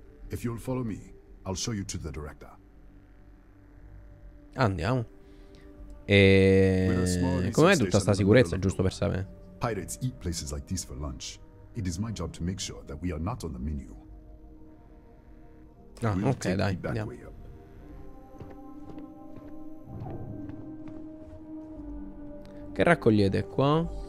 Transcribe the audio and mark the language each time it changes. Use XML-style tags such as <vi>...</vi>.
<en>If you'll follow me, I'll show you to the director.</en> <it>Andiamo. E com'è tutta sta sicurezza, giusto per sapere?</it> <en>Pirates eat places like this for lunch. It is my job to make sure that we are not on the menu.</en> <it>Ah, ok, dai, andiamo. Che raccogliete qua?</it>